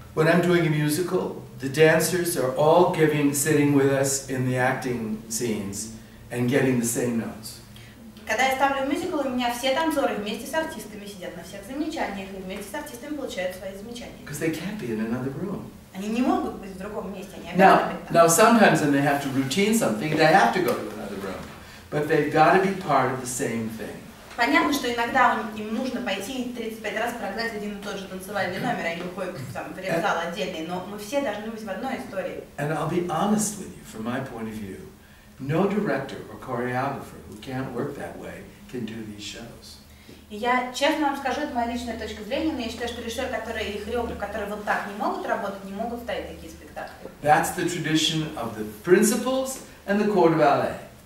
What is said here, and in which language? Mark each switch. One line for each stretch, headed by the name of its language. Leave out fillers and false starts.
English: When I'm doing a musical, the dancers are all sitting with us in the acting scenes and getting the same notes.
Russian: Когда я ставлю мюзикл, у меня все танцоры вместе с артистами сидят на всех замечаниях, и вместе с артистами получают свои замечания.
English: Because they can't be in another room.
Russian: Они не могут быть в другом месте, они обязаны быть там.
English: Now, sometimes when they have to routine something, they have to go to another room. But they've got to be part of the same thing.
Russian: Понятно, что иногда им нужно пойти 35 раз прогнать один и тот же танцевальный номер, а они уходят там, в зал отдельный, но мы все должны быть в одной истории.
English: And I'll be honest with you, from my point of view, no director or choreographer who can't work that way can do these shows.
Russian: Я честно вам скажу, это моя личная точка зрения, но я считаю, что режиссер, который или хореограф, которые вот так не могут работать, не могут ставить такие спектакли.
English: That's the tradition of the principals and the corps de ballet.